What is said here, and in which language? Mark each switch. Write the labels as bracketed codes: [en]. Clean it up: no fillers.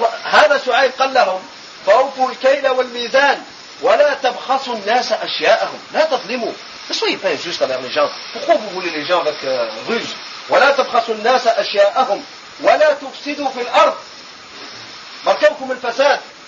[ar] Hada Shu'aib, قال لهم, فأوفوا الكيل والميزان. ولا تبخسوا الناس أشياءهم لا تظلموا [fr] soyez pas injuste envers les gens. Pourquoi vous voulez les gens avec ruse? [ar] ولا تبخسوا الناس أشياءهم ولا تفسدوا في الأرض مركبكم الفساد.